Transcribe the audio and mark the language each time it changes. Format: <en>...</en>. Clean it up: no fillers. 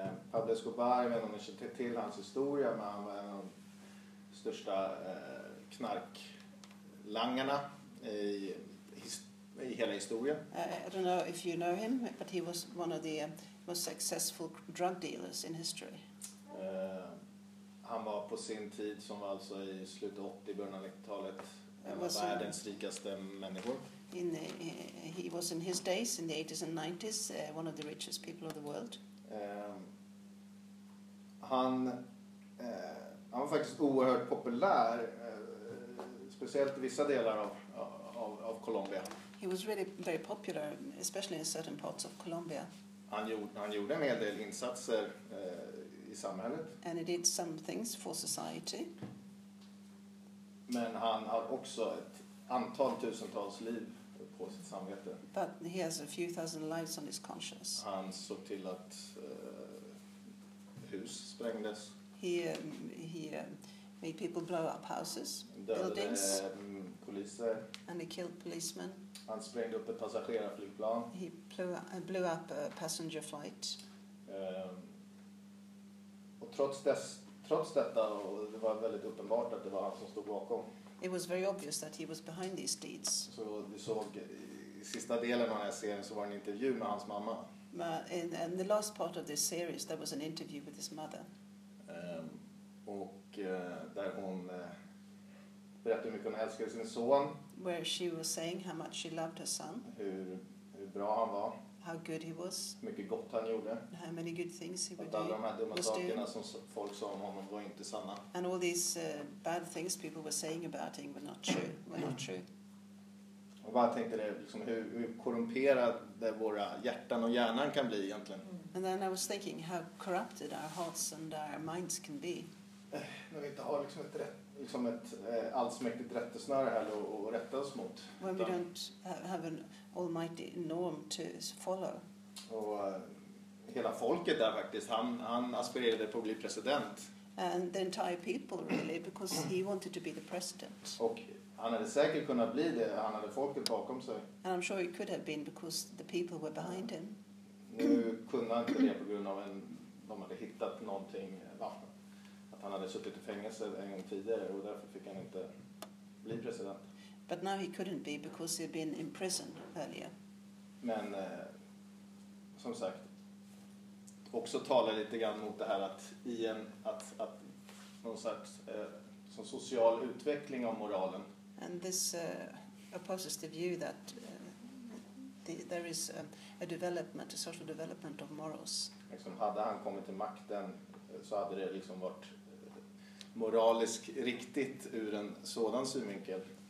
<sv>Pablo Escobar, jag vet inte om ni känner till hans historia, men han var en av de största knarklangarna i hela historien.</sv> <en>I don't know if you know him, but he was one of the most successful drug dealers in history.</en> <sv>Han var på sin tid, som var alltså i slutet 80, början av 90-talet, en av världens rikaste människor.</sv> <en>He was in his days, in the 80s and 90s, one of the richest people of the world.</en> <sv>Han var faktiskt oerhört populär, speciellt i vissa delar av Colombia.</sv> <en>He was really very popular, especially in certain parts of Colombia.</en> <sv>Han gjorde en hel del insatser i samhället.</sv> <en>And he did some things for society.</en> <sv>Men han har också ett antal tusentals liv på sitt samvete.</sv> <en>But he has a few thousand lives on his conscience.</en> <sv>Han såg till att hus sprängdes.</sv> <en>He made people blow up houses, buildings.</en> <sv>Poliser.</sv> <en>And he killed policemen.</en> <sv>Han sprängde upp ett passagerarflygplan.</sv> <en>He blew up a passenger flight.</en> <sv>Och trots detta, och det var väldigt uppenbart att det var han som stod bakom.</sv> <en>It was very obvious that he was behind these deeds.</en> <sv>Så vi såg i sista delen av den här serien så var en intervju med hans mamma.</sv> <en>In the last part of this series there was an interview with his mother.</en> <sv>Och där hon berättade hur mycket hon älskade sin son.</sv> <en>Where she was saying how much she loved her son.</en> <sv>Hur bra han var.</sv> <en>How good he was.</en> <sv>Hur mycket gott han gjorde.</sv> <en>How many good things he would</en> <sv>do. Att alla de här dumma sakerna som folk sa om honom var inte sanna.</sv> <en>And all these bad things people were saying about him were not true.</en> <sv>Jag bara tänkte det, liksom, hur korrumperade våra hjärtan och hjärnan kan bli egentligen. Mm.</sv> <en>And then I was thinking how corrupted our hearts and our minds can be.</en> <sv>När vi inte har liksom ett rätt, liksom ett allsmäktigt rättesnöre heller att rätta oss mot.</sv> <en>When we don't have an almighty norm to follow.</en> <sv>Och hela folket där faktiskt, han aspirerade på att bli president.</sv> <en>And the entire people really, because he wanted to be the president.</en> <sv>Och han hade säkert kunnat bli det, han hade folket bakom sig.</sv> <en>And I'm sure he could have been because the people were behind him.</en> <sv>Nu kunde han inte det på grund av att de hade hittat någonting, att han hade suttit i fängelse en gång tidigare och därför fick han inte bli president.</sv> <en>But now he couldn't be because he'd been in prison earlier.</en> <sv>Men som sagt, också talar lite grann mot det här att i en att någon sorts som social utveckling av moralen.</sv> <en>And this opposes the view that there is a development, a social development of morals.</en> <sv>Liksom hade han kommit till makten så hade det liksom varit moraliskt riktigt ur en sådan synvinkel.</sv>